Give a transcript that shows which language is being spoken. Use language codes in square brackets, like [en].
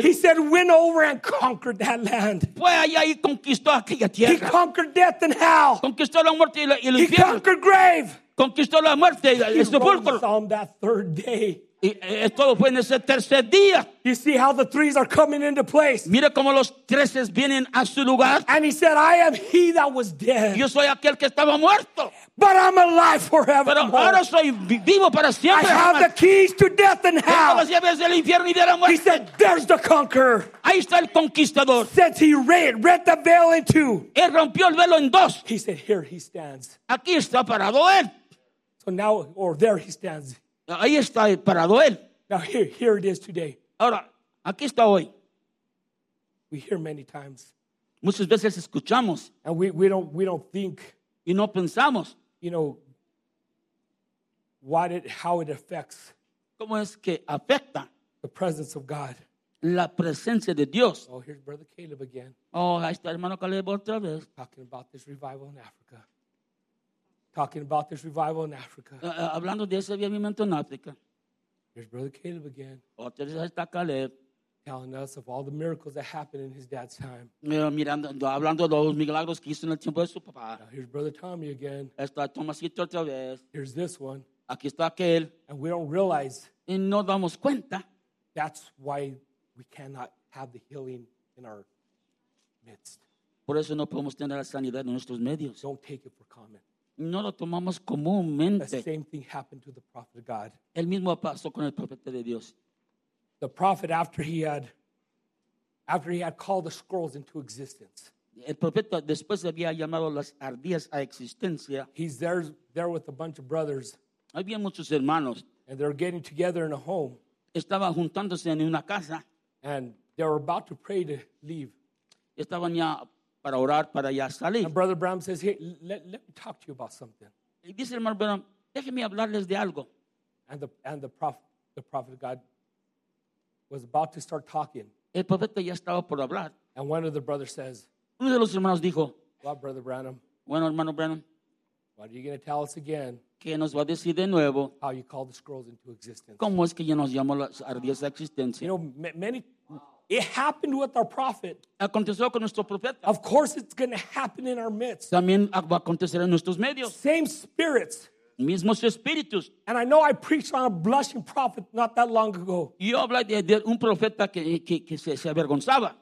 [en] He said, went over and conquered that land. [es] Fue allá y conquistó aquella tierra. [en] He conquered death and hell. [es] Conquistó la muerte y el infierno. [en] He conquered grave. [es] Conquistó la muerte y el sepulcro. [en] He rose on that third day. [es] Y esto fue en ese tercer día. [en] You see how the threes are coming into place. [es] Mira cómo los treses vienen a su lugar. [en] And he said, I am he that was dead. [es] Yo soy aquel que estaba muerto. [en] But I'm alive forever. [es] Pero ahora soy vivo para siempre. [en] I have the keys to death and hell. [es] Tengo las llaves del infierno y de la muerte. [en] He said, there's the conqueror. [es] Ahí está el conquistador. [en] Since he rent the veil in two. [es] Él rompió el velo en dos. [en] He said, here he stands. [es] Aquí está parado él. [en] So now, or there he stands. [es] Ahí está parado él. [en] Now here it is today. [es] Ahora, aquí está hoy. [en] We hear many times. [es] Muchas veces escuchamos. [en] And we don't think. [es] Y no pensamos. [en] You know, how it affects. [es] ¿Cómo es que afecta? [en] The presence of God. [es] La presencia de Dios. [en] Oh, here's Brother Caleb again. [es] Oh, ahí está hermano Caleb otra vez. [en] Talking about this revival in Africa. Talking about this revival in Africa. [es] Hablando de ese avivamiento en África. [en] Here's Brother Caleb again. [es] Otra vez está Caleb. [en] Telling us of all the miracles that happened in his dad's time. [es] Mirando, hablando de los milagros que hizo en el tiempo de su papá. [en] Now here's Brother Tommy again. [es] Está Tomasito otra vez. [en] Here's this one. [es] Aquí está aquel. [en] And we don't realize. [es] Y no damos cuenta. [en] That's why we cannot have the healing in our midst. [es] Por eso no podemos tener la sanidad en nuestros medios. [en] Don't take it for common. [es] No lo tomamos comúnmente. [en] The same thing happened to the prophet of God. [es] El mismo pasó con el profeta de Dios. [en] The prophet, after he had called the scrolls into existence. [es] El profeta después había llamado las ardillas a existencia. [en] He's there with a bunch of brothers. [es] Había muchos hermanos. [en] And they're getting together in a home. [es] Estaba juntándose en una casa. [en] And they were about to pray to leave. [es] Estaban ya para orar, para ya salir. [en] And Brother Bram says, hey, let me talk to you about something. [es] Y dice hermano Bram, déjeme hablarles de algo. [en] And the prophet of God was about to start talking. [es] El profeta ya estaba por hablar. [en] And one of the brothers says, [es] uno de los hermanos dijo, [en] well, Brother Branham, [es] bueno, hermano Branham, [en] what are you going to tell us again? [es] ¿Qué nos va a decir de nuevo? [en] How you call the scrolls into existence. [es] ¿Cómo es que ya nos llamó las ardillas a existencia? [en] You know, many... It happened with our prophet. [es] Aconteció con nuestro profeta. [en] Of course it's going to happen in our midst. [es] También va a acontecer en nuestros medios. [en] Same spirits. [es] Mismos espíritus. [en] And I know I preached on a blushing prophet not that long ago. [es] Yo hablé de un profeta que se avergonzaba.